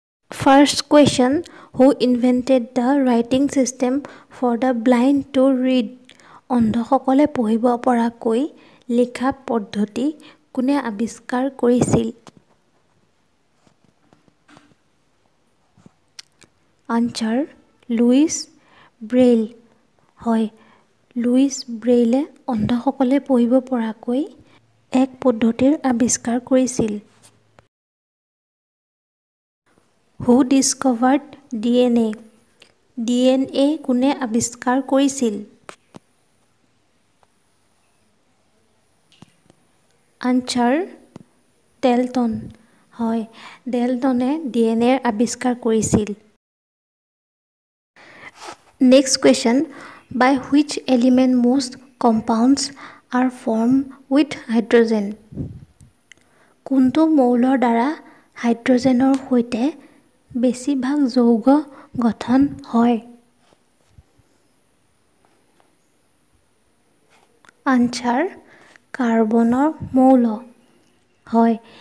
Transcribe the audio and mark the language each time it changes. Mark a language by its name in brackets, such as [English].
[English] First question, who invented the writing system for the blind to read? [Assamese] অন্ধসকলে পঢ়িব পৰাকৈ লিখা পদ্ধতি কোনে আৱিষ্কাৰ কৰিছিল? Answer, লুইচ ব্ৰেইল হয়। লুইচ ব্ৰেইলে অন্ধসকলে পঢ়িব পৰাকৈ এক পদ্ধতিৰ আৱিষ্কাৰ কৰিছিল। [English] Who discovered DNA? [Assamese] DNA কোনে আৱিষ্কাৰ কৰিছিল? Answer, Dalton. হয়, Daltonে DNAৰ আৱিষ্কাৰ কৰিছিল। [English] Next question, by which element most compounds are formed with hydrogen? [Assamese] কোনটো মৌলৰ দ্বাৰা হাইড্ৰজেনৰ সৈতে বেছিভাগ যৌগ গঠন হয়? Answer, কাৰ্বনৰ মৌল হয়।